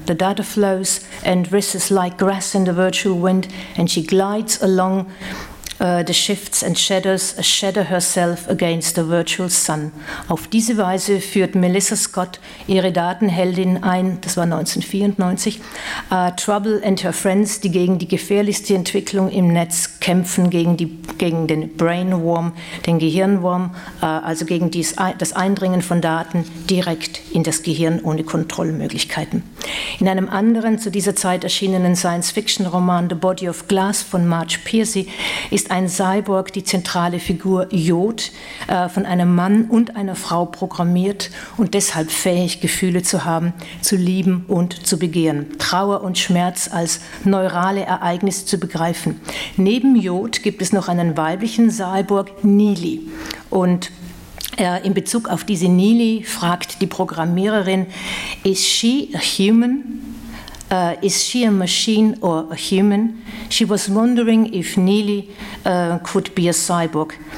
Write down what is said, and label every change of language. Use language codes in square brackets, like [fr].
[en] The data flows and rises like grass in the virtual wind, and she glides along the shifts and shadows, a shadow herself against the virtual sun. [de] Auf diese Weise führt Melissa Scott ihre Datenheldin ein, das war 1994, Trouble and her friends, die gegen die gefährlichste Entwicklung im Netz kämpfen, gegen den Brainworm, den Gehirnwurm, also gegen das Eindringen von Daten direkt in das Gehirn ohne Kontrollmöglichkeiten. In einem anderen zu dieser Zeit erschienenen Science-Fiction-Roman The Body of Glass von Marge Piercy ist ein Cyborg die zentrale Figur Jod, von einem Mann und einer Frau programmiert und deshalb fähig, Gefühle zu haben, zu lieben und zu begehren. Trauer und Schmerz als neurale Ereignisse zu begreifen. Neben Jod gibt es noch einen weiblichen Cyborg, Neely. Und in Bezug auf diese Neely fragt die Programmiererin, [en] is she a human? Is she a machine or a human? She was wondering if Neely could be a cyborg.